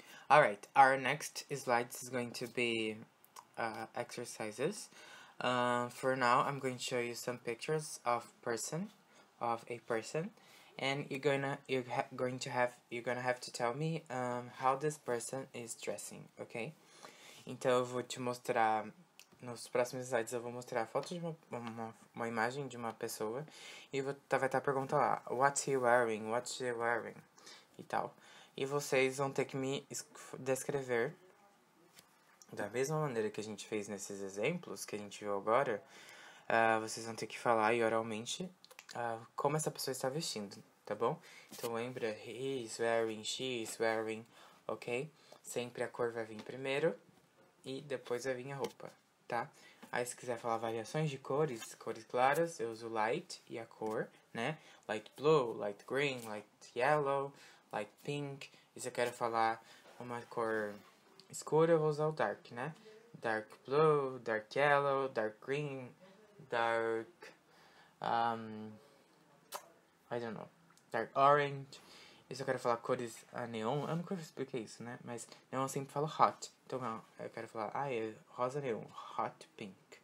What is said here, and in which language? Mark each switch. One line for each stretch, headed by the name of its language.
English: Alright, our next slides is going to be exercises. For now, I'm going to show you some pictures of a person. And you're gonna have to tell me how this person is dressing, okay? Então, eu vou te mostrar
Portuguese: nos próximos slides eu vou mostrar fotos de uma imagem de uma pessoa e vou, vai estar a pergunta lá, what's he wearing? What's she wearing? E tal. E vocês vão ter que me descrever da mesma maneira que a gente fez nesses exemplos que a gente viu agora, vocês vão ter que falar e oralmente como essa pessoa está vestindo, tá bom?
English: Então lembra, he's wearing, she's wearing, ok?
Portuguese: Sempre a cor vai vir primeiro e depois vai vir a roupa, tá? Aí se quiser falar variações de cores, cores claras, eu uso light e a cor, né?
English: Light blue, light green, light yellow, light pink.
Portuguese: E se eu quero falar uma cor escura, eu vou usar o dark, né?
English: Dark blue, dark yellow, dark green, dark, I don't know, dark orange.
Portuguese: E se eu quero falar cores a neon, eu nunca expliquei isso, né? Mas neon eu sempre falo hot. Então eu quero falar, ah, é rosa neon, hot pink.